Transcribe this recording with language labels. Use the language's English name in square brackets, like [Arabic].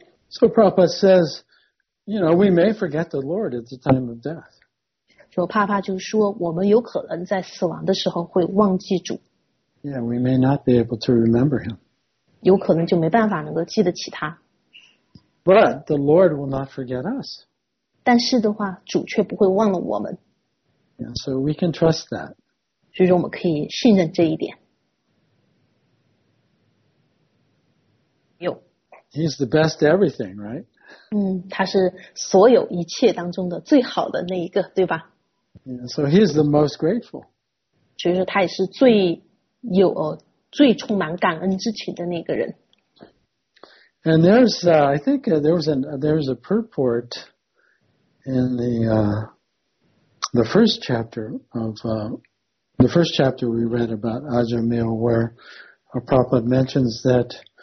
[English] So Prabhupada says, you know, we may forget the Lord at the time of death. [Chinese] 所以帕帕就说，我们有可能在死亡的时候会忘记主。 [English] Yeah, we may not be able to remember him. [Chinese] 有可能就没办法能够记得起他。 [English] But the Lord will not forget us. [Chinese] 但是的话，主却不会忘了我们。 [English] Yeah, so we can trust that. [Chinese] 所以说我们可以信任这一点。 [English] He's the best everything, right? [Chinese] 他是所有一切当中的最好的那一个，对吧？ [English] Yeah, so he's the most grateful. [Chinese] 所以说他也是最有最充满感恩之情的那个人。 [English] And there's, I think there was a purport in the first chapter of the first chapter we read about Ajamil, where Prabhupada mentions that